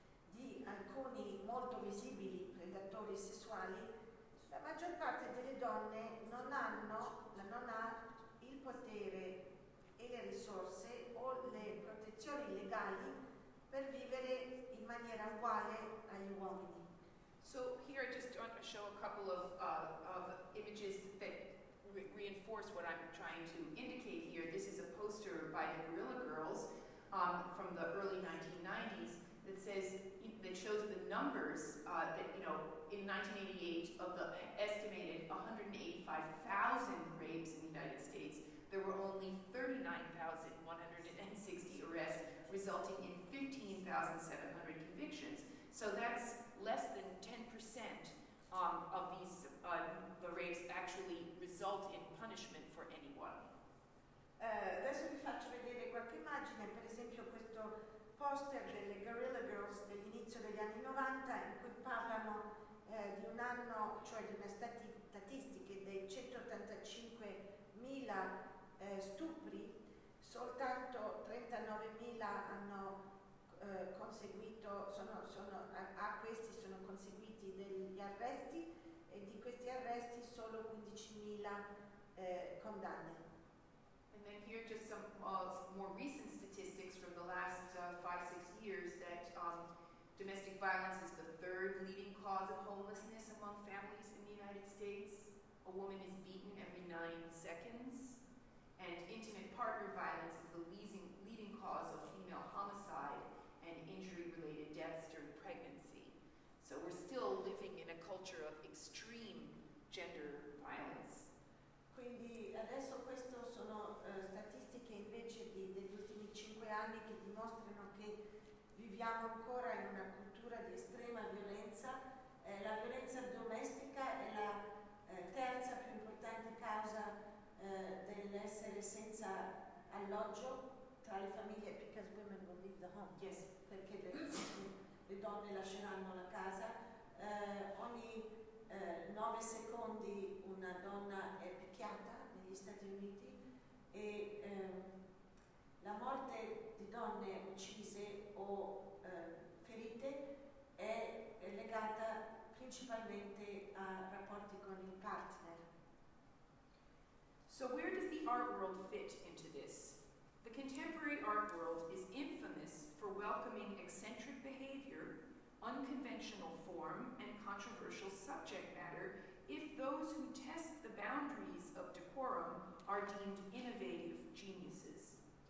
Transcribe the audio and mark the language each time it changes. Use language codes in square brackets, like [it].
[it] di alcuni molto visibili predatori sessuali, la maggior parte delle donne non ha il potere e le risorse o le protezioni legali per vivere in maniera uguale agli uomini. [en] So here I just want to show a couple of images that reinforce what I'm trying to indicate here. This is a poster by the Guerrilla Girls from the early 1990s that says, that shows the numbers that, you know, in 1988, of the estimated 185,000 rapes in the United States, there were only 39,160 arrests, resulting in 15,700 convictions. So that's less than 10% of these the rapes actually result in punishment for anyone. [it] Adesso vi faccio vedere qualche immagine, per esempio questo poster delle Guerrilla Girls dell'inizio degli anni 90 in cui parlano di un anno, cioè di una statistica dei 185,000 stupri, soltanto 39,000 hanno conseguito, a questi sono conseguiti degli arresti e di questi arresti solo 15,000 condanne. [en] And then here just some more recent statistics from the last 5-6 years that domestic violence is the third leading cause of homelessness among families in the United States. A woman is beaten every 9 seconds. And intimate partner violence is the leading cause of female homicide and injury-related deaths during pregnancy. So we're still living in a culture of extreme gender violence. [it] Quindi adesso queste sono statistiche invece degli ultimi 5 anni che dimostrano che viviamo ancora in una cultura di estrema violenza. La violenza domestica è la terza più importante causa dell'essere senza alloggio tra le famiglie. [en] Because women will leave the home. Yes. [it] Perché le donne lasceranno la casa. Ogni 9 secondi una donna è picchiata negli Stati Uniti e la morte di donne uccise o ferite è legata principalmente a rapporti con il partner. [en] So where does the art world fit into this? The contemporary art world is infamous for welcoming eccentric behavior, unconventional form, and controversial subject matter if those who test the boundaries of decorum are deemed innovative geniuses.